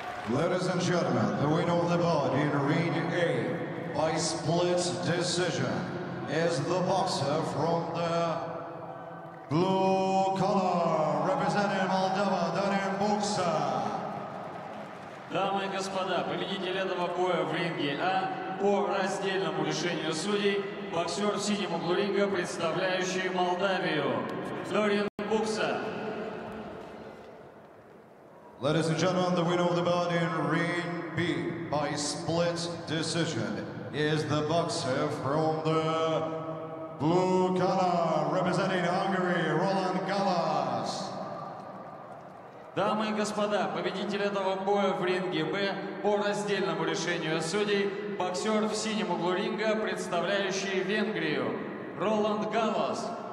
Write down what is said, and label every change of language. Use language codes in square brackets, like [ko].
[en] Ladies and gentlemen, the winner of the bout in ring A by split decision is the boxer from the blue color, representing Moldova, Daniel Buksa. [ru] Дамы и господа, победитель этого боя в ринге А по раздельному решению судей, боксер в синем углу ринга, представляющий Молдавию, Дориан Букса. [en] Ladies and gentlemen, the winner of the bout in ring B by split decision is the boxer from the blue color, representing Hungary, Roland Galas. [ru] Дамы и господа, победитель этого боя в ринге Б по раздельному решению судей, боксер в синем углу ринга, представляющий Венгрию, Роланд Галас.